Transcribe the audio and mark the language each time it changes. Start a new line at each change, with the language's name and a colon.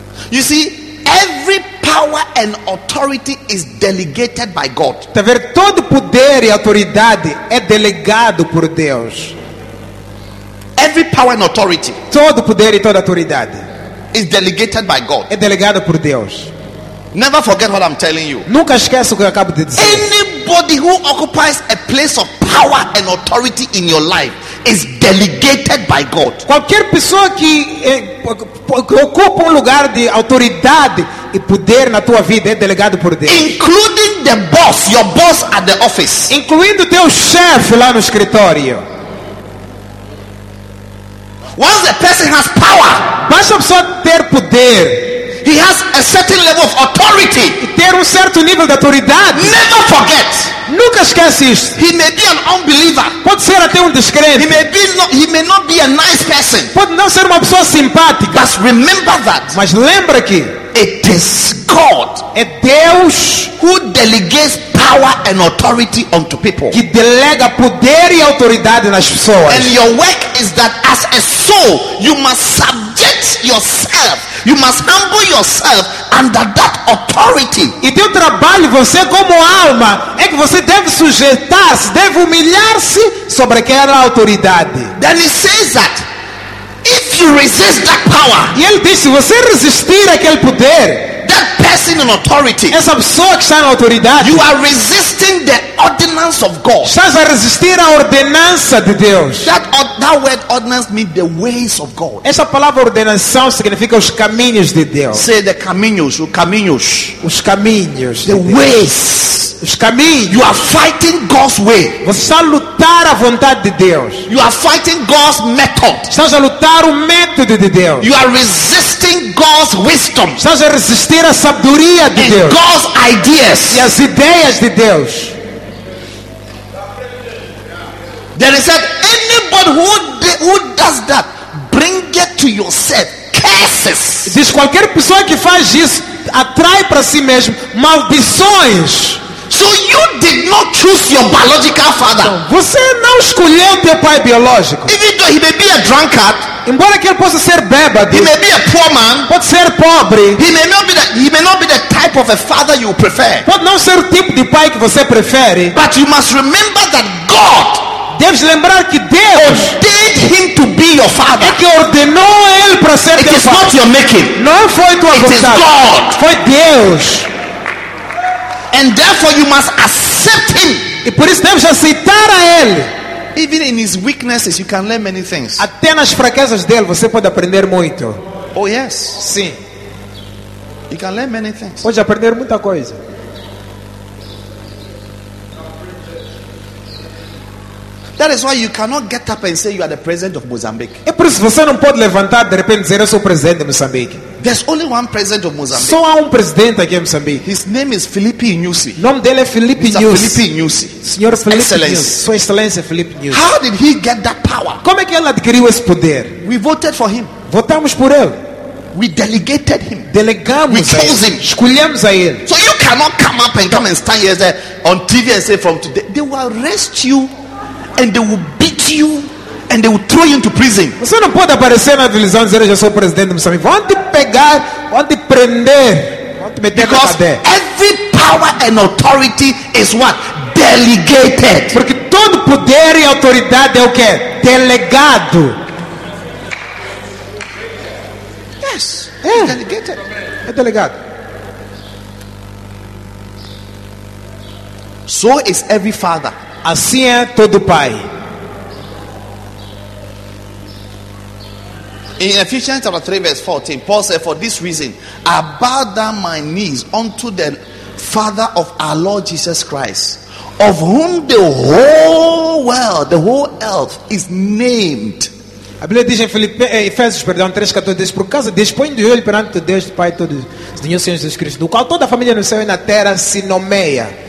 English: You see, every power and authority is delegated by God.
Portuguese: Tá vendo? Todo poder e autoridade é delegado por Deus.
English: Every power and authority.
Portuguese: Todo poder e toda autoridade
English: is delegated by God.
Portuguese: É delegado por Deus.
English: Never forget what I'm telling you.
Portuguese: Nunca esqueça o que eu acabo de dizer.
English: Anybody who occupies a place of power and authority in your life is delegated by God.
Portuguese: Qualquer pessoa que ocupa um lugar de autoridade e poder na tua vida é delegado por Deus.
English: Including the boss, your boss at the office.
Portuguese: Incluindo teu chefe lá no escritório.
English: Once a person has power,
Portuguese: basta a pessoa ter poder.
English: He has a certain level of authority.
Portuguese: Ter certo nível de autoridade.
English: Never forget.
Portuguese: Nunca esquece isso.
English: He may be an unbeliever.
Portuguese: Pode ser até descrente.
English: He may not be a nice person.
Portuguese: Pode não ser uma pessoa simpática.
English: But remember that.
Portuguese: Mas lembra que
English: it is God.
Portuguese: É Deus
English: who delegates power and authority unto people.
Portuguese: Que delega poder e autoridade nas pessoas.
English: And your work is that as a soul, you must subject yourself. You must humble yourself under that authority.
Portuguese: E teu trabalho, você como alma, é que você deve sujeitar-se, deve humilhar-se sobre aquela autoridade.
English: Then he says that if you resist that power,
Portuguese: e ele diz, se você resistir àquele poder,
English: that power person in authority.
Portuguese: Essa pessoa que está na autoridade.
English: You are resisting the ordinance of God.
Portuguese: Estás a resistir à ordenança de Deus.
English: That word ordinance means the ways of God.
Portuguese: Essa palavra ordenação significa os caminhos de Deus.
English: Say the
Portuguese: caminhos, os caminhos. Os caminhos.
English: The ways.
Portuguese: Os caminhos.
English: You are fighting God's way.
Portuguese: Você está a lutar a vontade de Deus.
English: You are fighting God's method.
Portuguese: Estás a lutar o método de Deus.
English: You are resisting God's wisdom.
Portuguese: Estás a resistir a sabedoria de
English: and
Portuguese: Deus.
English: God's ideas.
Portuguese: E as ideias de Deus.
English: There is that anybody who does that bring it to yourself curses.
Portuguese: Diz qualquer pessoa que faz isso atrai para si mesmo maldições.
English: So you did not choose your biological father.
Portuguese: Você não escolheu teu pai biológico.
English: Even though he may be a drunkard,
Portuguese: embora que ele possa ser bêbado,
English: he may be a poor man,
Portuguese: pode ser pobre.
English: He may not be the type of a father you prefer.
Portuguese: Pode não ser o tipo de pai que você prefere.
English: But you must remember that God,
Portuguese: deves lembrar que Deus
English: ordained him to be your father.
Portuguese: É que ordenou ele para ser
English: it Not your making.
Portuguese: Não foi tua
English: it
Portuguese: vontade.
English: Is God.
Portuguese: Foi Deus.
English: And therefore you must accept him.
Portuguese: E por isso deves aceitar a ele.
English: Even in his weaknesses you can learn many things.
Portuguese: Até nas fraquezas dele você pode aprender muito.
English: Oh yes.
Portuguese: Sim.
English: You can learn many things.
Portuguese: Pode aprender muita coisa.
English: That is why you cannot get up and say you are the president of Mozambique.
Portuguese: É por isso você não pode levantar de repente dizer eu sou o presidente de Moçambique.
English: There's only one president of Mozambique.
Portuguese: Só há presidente aqui em Moçambique.
English: His name is Filipe Nyusi.
Portuguese: Nome dele é Filipe Nyusi.
English: Mr. Filipe Nyusi.
Portuguese: Senhor Filipe
English: Excellence.
Portuguese: Nyusi. Sua Excelência Filipe Nyusi.
English: How did he get that power?
Portuguese: Como é que ele adquiriu esse poder?
English: We voted for him.
Portuguese: Votamos por ele.
English: We delegated him.
Portuguese: Delegamos.
English: We chose him.
Portuguese: Escolhemos a ele.
English: So you cannot come up and come and stand here say, on TV and say from today they will arrest you. And they will beat you and they will throw you into prison.
Portuguese: Você não pode aparecer na televisão e dizer eu já sou presidente de Moçambique. Vão te pegar, vão te prender. Vão te meter na cadeia.
English: Every power and authority is what? Delegated.
Portuguese: Porque todo poder e autoridade é o quê? Delegado.
English: Yes.
Portuguese: É.
English: Delegated.
Portuguese: É delegado.
English: So is every father.
Portuguese: Assim é todo pai.
English: In Ephesians chapter 3 verse 14, Paul said, for this reason, I bow down my knees unto the Father of our Lord Jesus Christ, of whom the whole world, the whole earth is named.
Portuguese: A Bíblia diz em Efésios, perdão, 3:14, diz, por causa, dispõe de olho perante Deus, Pai, todo, Senhor Jesus Cristo, do qual toda a família no céu e na terra se nomeia.